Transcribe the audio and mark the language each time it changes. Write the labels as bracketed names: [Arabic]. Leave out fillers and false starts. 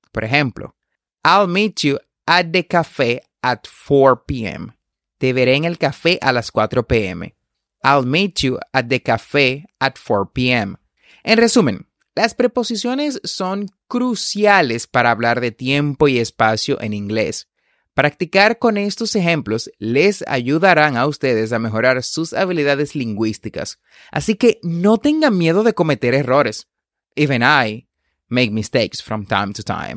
[Spanish] Por ejemplo, [English] I'll meet you at the café at 4 p.m. [Spanish] Te veré en el café a las 4 p.m. [English] I'll meet you at the café at 4 p.m. [Spanish] En resumen, las preposiciones son cruciales para hablar de tiempo y espacio en inglés. Practicar con estos ejemplos les ayudarán a ustedes a mejorar sus habilidades lingüísticas. Así que no tengan miedo de cometer errores. [English] Even I make mistakes from time to time.